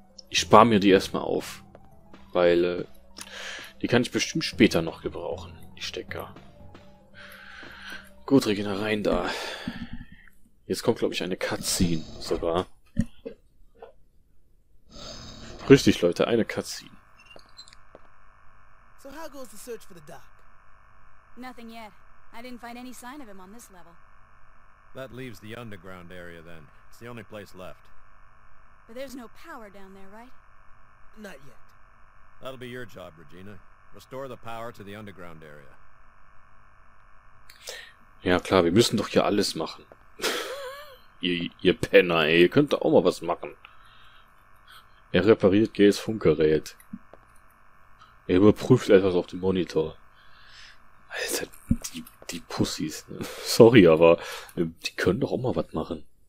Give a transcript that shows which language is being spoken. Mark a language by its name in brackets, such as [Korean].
[German] Ich spare mir die erstmal auf. Weil, die kann ich bestimmt später noch gebrauchen, die Stecker. Gut, Regina, rein da. Jetzt kommt, glaube ich, eine Cutscene sogar. Richtig, Leute, eine Cutscene. [English] So, how goes the search for the doc? Nothing yet. I didn't find any sign of him on this level. That leaves the underground area then. It's the only place left. But there's no power down there, right? Not yet. That'll be your job, Regina. Restore the power to the underground area. [German] Ja klar, wir müssen doch hier alles machen. ihr Penner, ey, ihr könnt doch auch mal was machen. Er repariert Gays Funkgerät. Er überprüft etwas auf dem Monitor. Alter, die Pussys. Sorry, aber die können doch auch mal was machen.